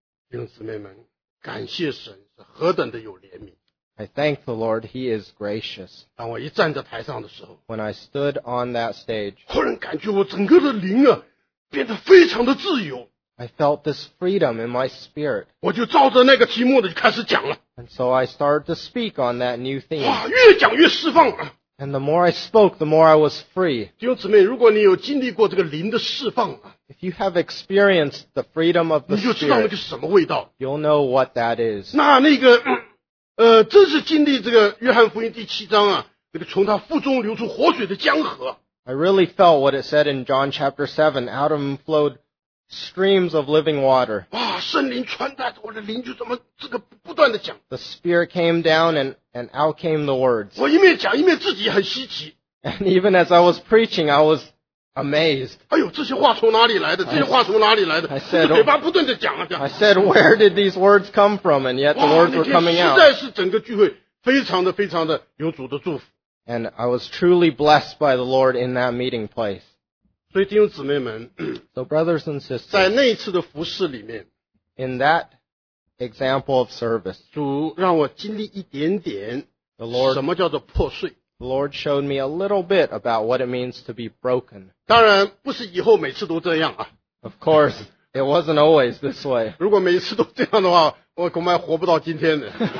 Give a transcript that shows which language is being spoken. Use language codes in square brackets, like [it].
[zh] 弟兄姊妹们,感谢神,何等的有怜悯。 [en] I thank the Lord, He is gracious. [zh] 当我一站在台上的时候, [en] when I stood on that stage, [zh] 忽然感觉我整个的灵啊, 变得非常的自由。 [en] I felt this freedom in my spirit. [zh] 我就照着那个题目的就开始讲了。 [en] And so I started to speak on that new theme. [zh] 哇,越讲越释放。 [en] And the more I spoke, the more I was free. [zh] 弟兄姊妹, 如果你有经历过这个灵的释放, [en] if you have experienced the freedom of the Spirit, [zh] 你就知道那个是什么味道。 [en] You'll know what that is. [zh] 那个, 真是经历这个约翰福音第七章啊，这个从他腹中流出活水的江河。 [en] I really felt what it said in John chapter 7, out of him flowed streams of living water. [zh] 哇,圣灵传达,我的灵就这么,这个不断地讲。 [en] The Spirit came down and out came the words. [zh] 我一面讲,一面自己很稀奇。 [en] And even as I was preaching, I was amazed. [zh] 哎呦, 这些话从哪里来的? 这些话从哪里来的? [en] I said, where did these words come from? And yet the words were coming out. [zh] 实在是整个聚会非常的非常的有主的祝福。 [en] And I was truly blessed by the Lord in that meeting place. [zh] 所以弟兄姊妹们, [en] so brothers and sisters, [zh] 在那一次的服事里面, [en] in that example of service, [zh] 主让我经历一点点, [en] the Lord showed me a little bit about what it means to be broken. [zh] 当然不是以后每次都这样啊, [en] of course, it wasn't always this way. [zh] 如果每次都这样的话, 我恐怕活不到今天的。